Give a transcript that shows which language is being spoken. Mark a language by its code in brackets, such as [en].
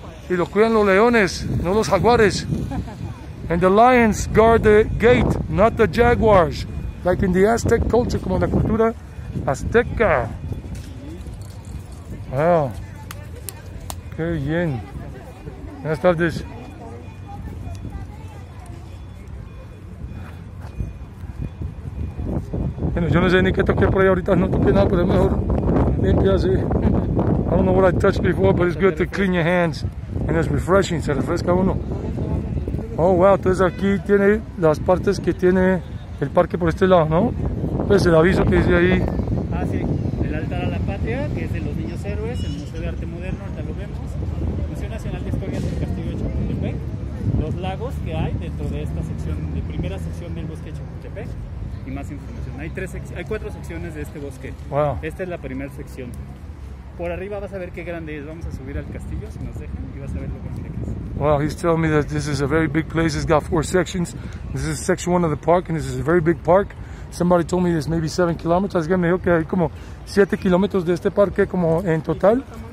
[es] Y lo cuidan los leones, no los jaguares. [en] And the lions guard the gate, not the jaguars. Like in the Aztec culture, [es] como en la cultura azteca. Wow. Qué bien. Buenas tardes. Bueno, yo no sé ni qué toqué por ahí ahorita, no toqué nada, pero es mejor limpia así. [en] I don't know what I touched before, but it's good to clean your hands. And it's refreshing, [es] se refresca uno. Oh, wow, entonces aquí tiene las partes que tiene el parque por este lado, ¿no? Pues el aviso que dice ahí. Ah, sí, el altar a la patria, que es de los niños héroes, el Museo de Arte Moderno, ahorita lo vemos. El Museo Nacional de Historia del Castillo de Chapultepec. Los lagos que hay dentro de esta sección, de primera sección del bosque de Chapultepec. Y más información. Hay cuatro secciones de este bosque. [en] Wow. [es] Esta es la primera sección. Por arriba vas a ver qué grande es. Vamos a subir al castillo si nos dejan y vas a ver lo grande que es. [en] Wow, he's telling me that this is a very big place. It's got four sections. This is section one of the park, and this is a very big park. Somebody told me it's maybe 7 kilometers. [es] Así que me dijo que hay como 7 kilómetros de este parque como en total.